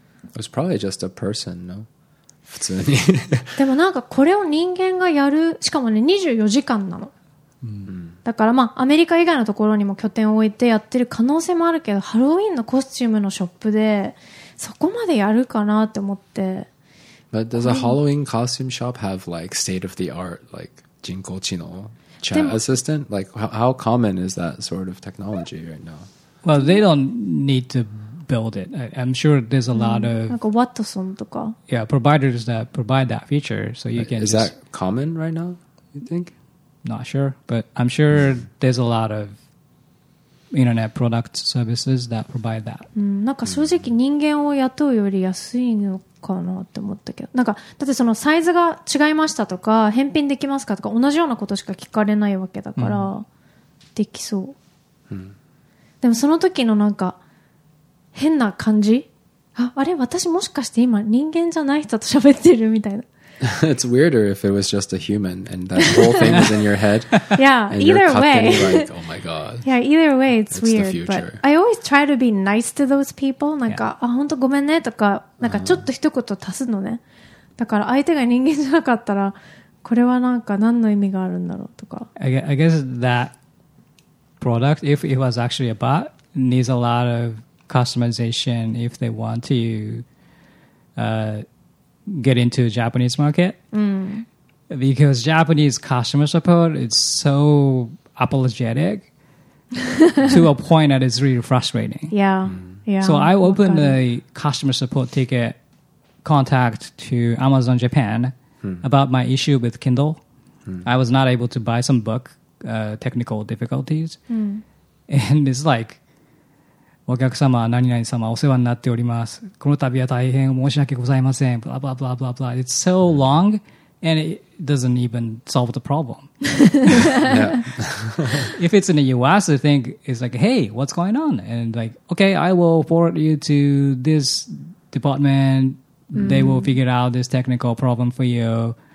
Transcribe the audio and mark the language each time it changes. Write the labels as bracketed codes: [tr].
[en] It was probably just a person, no? [ja] 普通にでもなんかこれを人間がやる、しかもね24時間なの、うん、だからまあアメリカ以外のところにも拠点を置いてやってる可能性もあるけど、ハロウィンのコスチュームのショップでそこまでやるかなって思って。 [en] But does a Halloween costume shop have like state of the art like 人工知能 chat assistant? Like how common is that sort of technology right now? Well, they don't need to build it. I'm sure there's a lot of like Watson とか. Yeah, providers that provide that feature, so you can. Is that common right now? You think? Not sure, but I'm sure there's a lot of internet product services that provide that. [ja] なんか正直人間を雇うより安いのかなって思ったけど、なんかだってそのサイズが違いましたとか返品できますかとか同じようなことしか聞かれないわけだから、うん、できそう。うん。でもその時のなんか変な感じ、あれ私もしかして今人間じゃない人と喋ってるみたいな。 [en] It's weirder if it was just a human and that whole thing is in your head. Yeah, either way. Like, oh my god. Yeah, either way, it's weird. But I always try to be nice to those people. [ja] なんか、yeah. あ本当ごめんねとかなんかちょっと一言足すのね。だから相手が人間じゃなかったらこれはなんか何の意味があるんだろうとか。 [en] I guess that product, if it was actually a bot, needs a lot of customization if they want to get into the Japanese market. Mm. Because Japanese customer support is so apologetic to a point that it's really frustrating. Yeah. Mm. Yeah. So I opened a customer support ticket contact to Amazon Japan about my issue with Kindle. Mm. I was not able to buy some book, technical difficulties. Mm. And it's like, [ja] お客様、何々様、お世話になっております。この度は大変申し訳ございません。 [en] blah, blah, blah, blah, blah. It's so long, and it doesn't even solve the problem. If it's in the US, I think it's like, hey, what's going on? And like, okay, I will forward you to this department. They will figure out this technical problem for you.